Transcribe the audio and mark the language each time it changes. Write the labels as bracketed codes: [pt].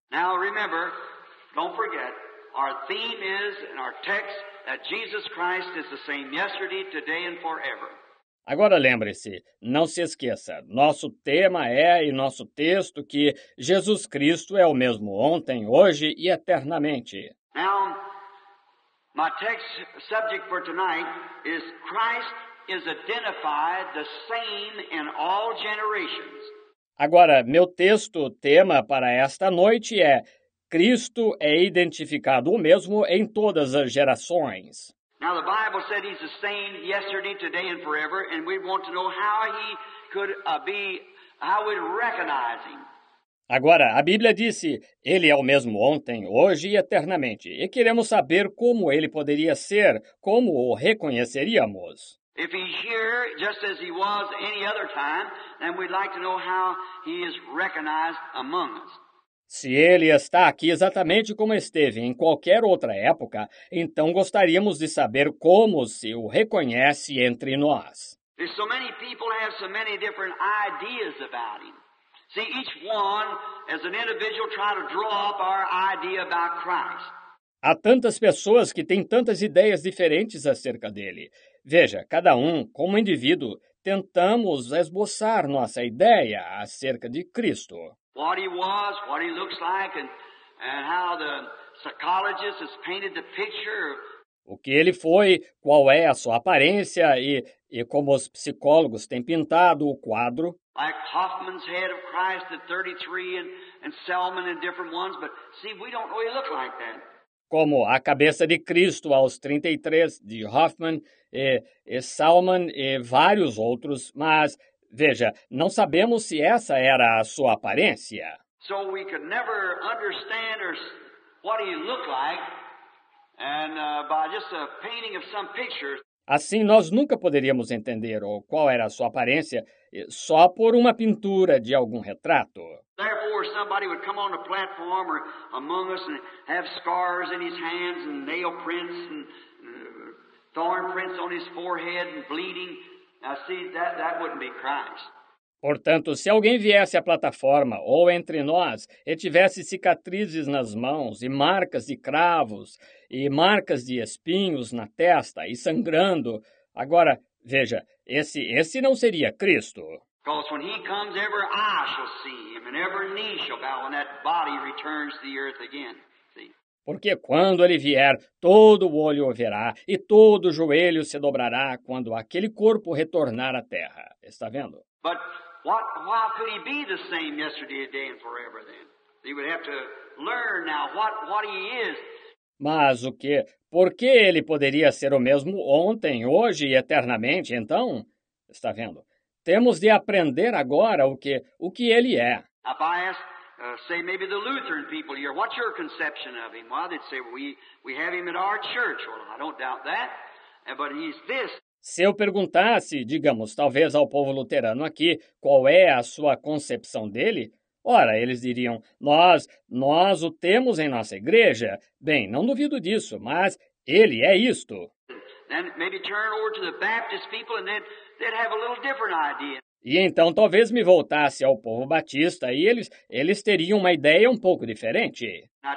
[en] Now remember, don't forget, our theme is, and our text, that Jesus Christ is the same yesterday, today, and forever. [pt] Agora lembre-se, não se esqueça, nosso tema é, e nosso texto, que Jesus Cristo é o mesmo ontem, hoje e eternamente. [en] Now, my text subject for tonight is Christ is identified the same in all generations. [pt] Agora, meu texto, tema para esta noite é Cristo é identificado o mesmo em todas as gerações. [en] Now the Bible said he's the same yesterday, today and forever, and we want to know how he could be, how we'd recognize him. [pt] Agora, a Bíblia disse, ele é o mesmo ontem, hoje e eternamente, e queremos saber como ele poderia ser, como o reconheceríamos. [en] If he's here just as he was any other time, then we'd like to know how he is recognized among us. [pt] Se ele está aqui exatamente como esteve em qualquer outra época, então gostaríamos de saber como se o reconhece entre nós. [en] So many people have so many different ideas about him. See, each one, as an individual, try to draw up our idea about Christ. [pt] Há tantas pessoas que têm tantas ideias diferentes acerca dele. Veja, cada um, como indivíduo, tentamos esboçar nossa ideia acerca de Cristo. [en] What he was, what he looks like, and how the psychologist has painted the picture. [pt] O que ele foi, qual é a sua aparência, e como os psicólogos têm pintado o quadro. [en] Like Hoffman's head of Christ at 33 and Selman and different ones, but see, we don't really look like that. [pt] Como a cabeça de Cristo aos 33 de Hoffman e Salman e vários outros, mas veja, não sabemos se essa era a sua aparência. [en] So we could never understand what he looked like and by just a painting of some pictures. [pt] Assim nós nunca poderíamos entender qual era a sua aparência só por uma pintura de algum retrato. [en] Therefore, somebody would come on the platform or among us and have scars in his hands and nail prints and thorn prints on his forehead and bleeding. Now, see, that wouldn't be Christ. [pt] Portanto, se alguém viesse à plataforma ou entre nós e tivesse cicatrizes nas mãos e marcas de cravos e marcas de espinhos na testa e sangrando, agora, veja, esse não seria Cristo. [en] Because when he comes, every eye shall see him, and every knee shall bow when that body returns to the earth again. [pt] Porque quando ele vier, todo olho o verá e todo joelho se dobrará quando aquele corpo retornar à terra. Está vendo? [en] But why could he be the same yesterday, today and forever then? He would have to learn now what he is. [pt] Mas o quê? Por que ele poderia ser o mesmo ontem, hoje e eternamente, então? Está vendo? Temos de aprender agora o que ele é. [en] Say maybe the Lutheran people here, what's your conception of him? Well, they'd say, we have him at our church. Well, I don't doubt that, but he's this. [pt] Se eu perguntasse, digamos, talvez ao povo luterano aqui, qual é a sua concepção dele? Ora, eles diriam, nós o temos em nossa igreja. Bem, não duvido disso, mas ele é isto. [en] Then maybe turn over to the Baptist people and they'd have a little different idea. [pt] E então talvez me voltasse ao povo batista e eles teriam uma ideia um pouco diferente.